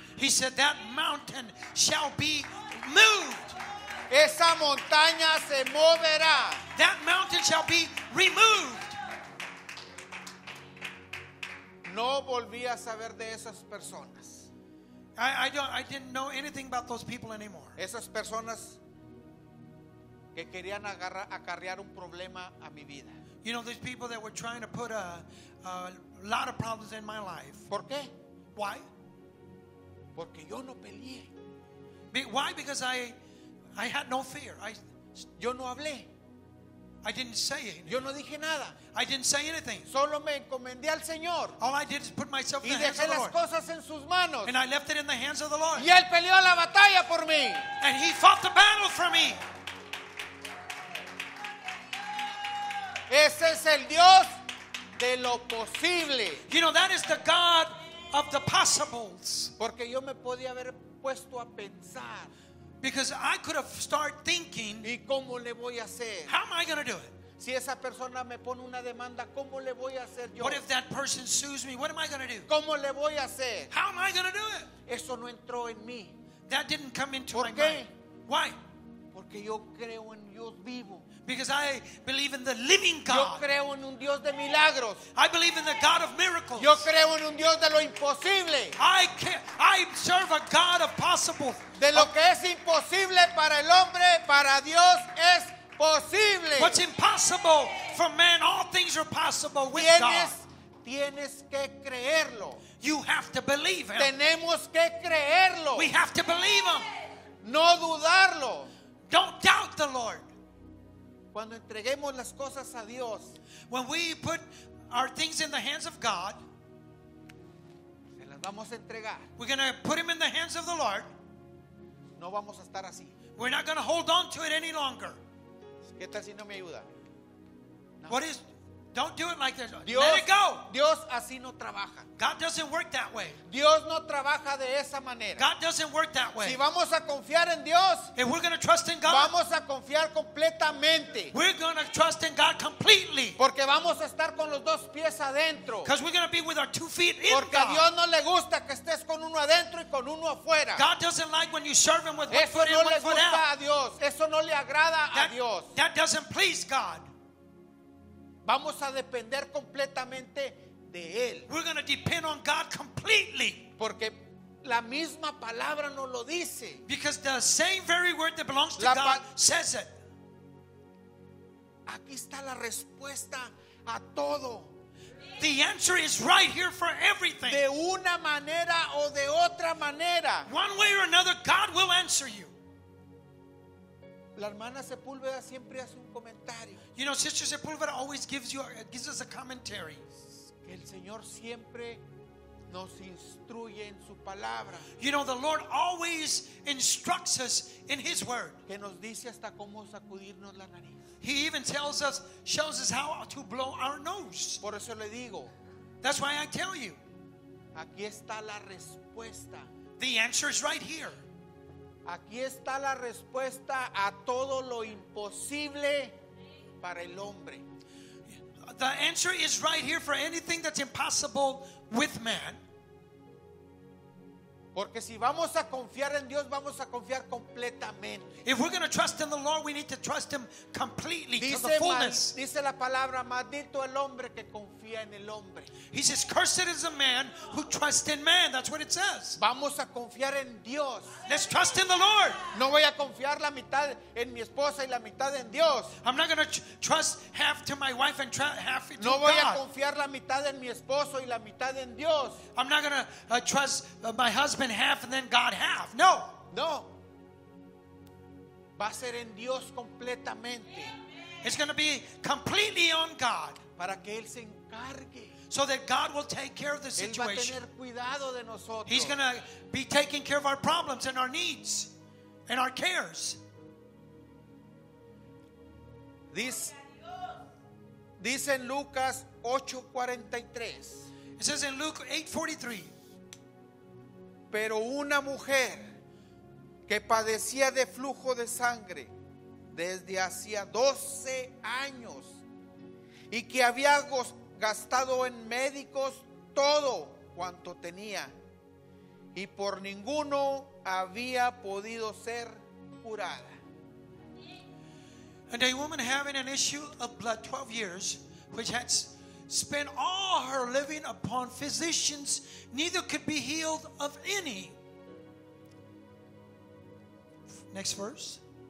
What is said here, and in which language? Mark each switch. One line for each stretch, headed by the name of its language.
English: He said that mountain shall be moved.
Spanish: Esa montaña se moverá.
English: That mountain shall be removed.
Spanish: No volví a saber de esas personas.
English: I didn't know anything about those people anymore.
Spanish: Esas personas que querían acarrear un problema a mi vida.
English: You know, these people that were trying to put a lot of problems in my life.
Spanish: ¿Por qué?
English: Why?
Spanish: Porque yo no peleé.
English: Why? Because I had no fear.
Spanish: Yo no hablé.
English: I didn't say anything.
Spanish: Yo no dije nada.
English: I didn't say anything.
Spanish: Solo me encomendé al Señor.
English: All I did is put myself in the hands of the
Spanish: Lord. Y dejé las cosas en sus manos.
English: And I left it in the hands of the Lord.
Spanish: Y él peleó la batalla por mí.
English: And he fought the battle for me.
Spanish: Ese es el Dios de lo posible.
English: You know, that is the God of the possibles.
Spanish: Porque yo me podía haber puesto a pensar.
English: Because I could have started thinking.
Spanish: ¿Y cómo le voy a hacer?
English: How am I going to do it?
Spanish: Si esa persona me pone una demanda, ¿cómo le voy a hacer yo?
English: What if that person sues me? What am I going to do?
Spanish: ¿Cómo le voy a hacer?
English: How am I going to do it?
Spanish: Eso no entró en mí.
English: That didn't come into
Spanish: ¿por qué?
English: My mind. Why?
Spanish: Porque yo creo en Dios vivo.
English: Because I believe in the living God.
Spanish: Yo creo en un Dios de milagros.
English: I believe in the God of miracles.
Spanish: Yo creo en un Dios de lo imposible.
English: I serve a God of possible.
Spanish: De lo que es imposible para el hombre, para Dios es posible.
English: What's impossible for man, all things are possible with
Spanish: ¿tienes,
English: God.
Spanish: tienes que creerlo.
English: You have to believe him.
Spanish: Tenemos que creerlo.
English: We have to believe him.
Spanish: No dudarlo.
English: Don't doubt the Lord.
Spanish: Cuando entreguemos las cosas a Dios,
English: when we put our things in the hands of God,
Spanish: se las vamos a entregar.
English: We're going to put him in the hands of the Lord.
Spanish: No vamos a estar así.
English: We're not going to hold on to it any longer.
Spanish: ¿Qué tal si no me ayuda?
English: No. What is? Don't do it like this.
Spanish: Dios,
English: let it go.
Spanish: Dios así no trabaja.
English: God doesn't work that way.
Spanish: Dios no trabaja de esa manera.
English: God doesn't work that way.
Spanish: Si vamos a confiar en Dios,
English: if we're going to trust in God,
Spanish: vamos a confiar completamente.
English: We're going to trust in God completely.
Spanish: Porque vamos a estar con los dos pies adentro.
English: Because we're going to be with our two feet in.
Spanish: Porque a Dios no le gusta que estés con uno adentro y con uno afuera.
English: God doesn't like when you serve him with one foot in and one foot out.
Spanish: Eso no le gusta a Dios. Eso no le agrada a Dios.
English: That doesn't please God.
Spanish: Vamos a depender completamente de él.
English: We're going to depend on God completely.
Spanish: Porque la misma palabra nos lo dice.
English: Because the same very word that belongs to God says it.
Spanish: Aquí está la respuesta a todo.
English: The answer is right here for everything.
Spanish: De una manera o de otra manera.
English: One way or another, God will answer you.
Spanish: La hermana Sepúlveda siempre hace un comentario.
English: You know, Sister Sepúlveda always gives us a commentary.
Spanish: Que el Señor siempre nos instruye en su palabra.
English: You know, the Lord always instructs us in his word.
Spanish: Que nos dice hasta cómo sacudirnos la nariz.
English: He even shows us how to blow our nose.
Spanish: Por eso le digo.
English: That's why I tell you.
Spanish: Aquí está la respuesta.
English: The answer is right here.
Spanish: Aquí está la respuesta a todo lo imposible para el hombre.
English: The answer is right here for anything that's impossible with man.
Spanish: Porque si vamos a confiar en Dios, vamos a confiar completamente.
English: If we're going to trust in the Lord, we need to trust him completely,
Spanish: dice,
English: to the fullness.
Spanish: Dice la palabra, maldito el hombre que confía en el hombre.
English: He says, cursed is the man who trusts in man. That's what it says.
Spanish: Vamos a confiar en Dios.
English: Let's trust in the Lord.
Spanish: No voy a confiar la mitad en mi esposa y la mitad en Dios.
English: I'm not going to trust half to my wife and half to God.
Spanish: No voy a confiar la mitad en mi esposo y la mitad en Dios.
English: I'm not going to trust my husband half and then God half.
Spanish: No. No. Va a ser en Dios completamente.
English: It's going to be completely on God.
Spanish: Para que él se encargue.
English: So that God will take care of the situation.
Spanish: Él va a tener cuidado de nosotros.
English: He's going to be taking care of our problems and our needs and our cares.
Spanish: Dice en Lucas 8:43.
English: It says in Luke 8:43.
Spanish: Pero una mujer que padecía de flujo de sangre desde hacía 12 años y que había gastado en médicos todo cuanto tenía y por ninguno había podido ser curada.
English: And a woman having an issue of blood 12 years, which had spent all her living upon physicians, neither could be healed of any. Next verse.